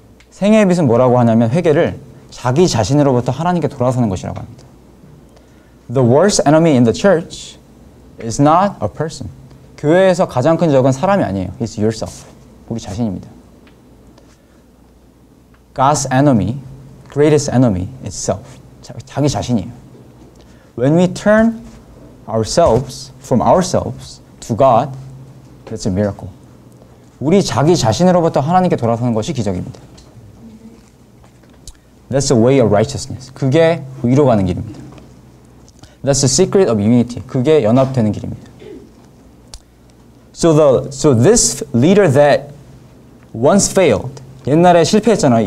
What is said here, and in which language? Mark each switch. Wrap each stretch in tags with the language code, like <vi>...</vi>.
<ko>생애의 빚은 뭐라고 하냐면 회개를 자기 자신으로부터 하나님께 돌아서는 것이라고 합니다.</ko> <en>The worst enemy in the church is not a person.</en> <ko>교회에서 가장 큰 적은 사람이 아니에요.</ko> <en>It's yourself.</en> <ko>우리 자신입니다.</ko> <en>God's enemy, greatest enemy is self.</en> <ko>자기 자신이에요.</ko> <en>When we turn ourselves from ourselves to God, that's a miracle.</en> <ko>우리 자기 자신으로부터 하나님께 돌아서는 것이 기적입니다.</ko> <en>That's the way of righteousness.</en> <ko>그게 의로 가는 길입니다.</ko> <en>That's the secret of unity.</en> <ko>그게 연합되는 길입니다.</ko> <en>So the so this leader that once failed,</en> <ko>옛날에 실패했잖아요.</ko>